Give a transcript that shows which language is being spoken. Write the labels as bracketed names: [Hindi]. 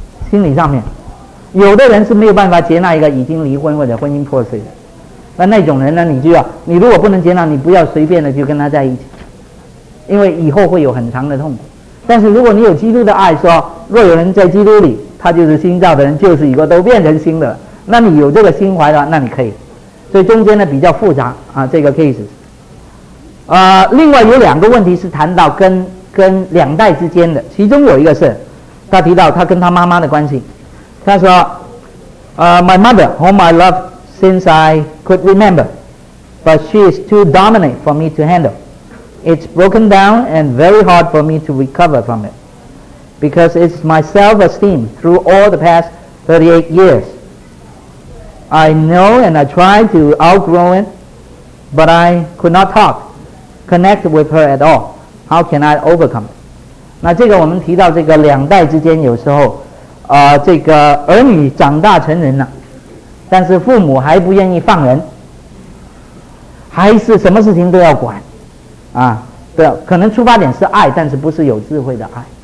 [Chinese] 心理上面有的人是没有办法接纳一个已经离婚或者婚姻破碎的，那种人呢你如果不能接纳，你不要随便的就跟他在一起，因为以后会有很长的痛苦。但是如果你有基督的爱，说若有人在基督里他就是新造的人，旧事已过都变成新的了，那你有这个心怀的话那你可以。所以中间呢比较复杂这个 case。另外有两个问题是谈到跟两代之间的，其中有一个是他提到他跟他妈妈的关系，他说 [English] My mother whom I love since I could remember, but she is too dominant for me to handle. It's broken down and very hard for me to recover from it, because it's my self-esteem through all the past 38 years. I know and I try to outgrow it, but I could not talk connect with her at all. How can I overcome it? [Chinese] 那这个我们提到这个两代之间有时候这个儿女长大成人了，但是父母还不愿意放人，还是什么事情都要管对，可能出发点是爱，但是不是有智慧的爱。